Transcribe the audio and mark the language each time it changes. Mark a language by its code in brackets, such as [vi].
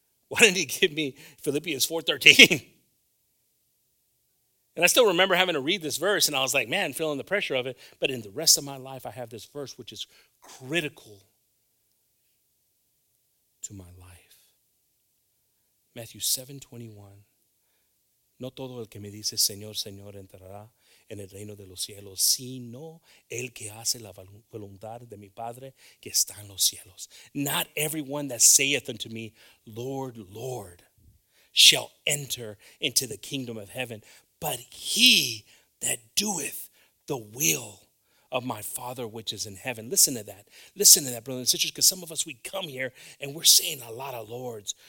[en] Why didn't he give me Philippians 4:13? And I still remember having to read this verse, and I was like, man, feeling the pressure of it. But in the rest of my life, I have this verse, which is critical to my life. Matthew 7:21. [es] No todo el que me dice Señor, Señor, entrará en el reino de los cielos, sino el que hace la voluntad de mi Padre que está en los cielos. [en] Not everyone that saith unto me, Lord, Lord, shall enter into the kingdom of heaven, but he that doeth the will of my Father which is in heaven. Listen to that. Listen to that, brothers and sisters, because some of us, we come here and we're saying a lot of Lords.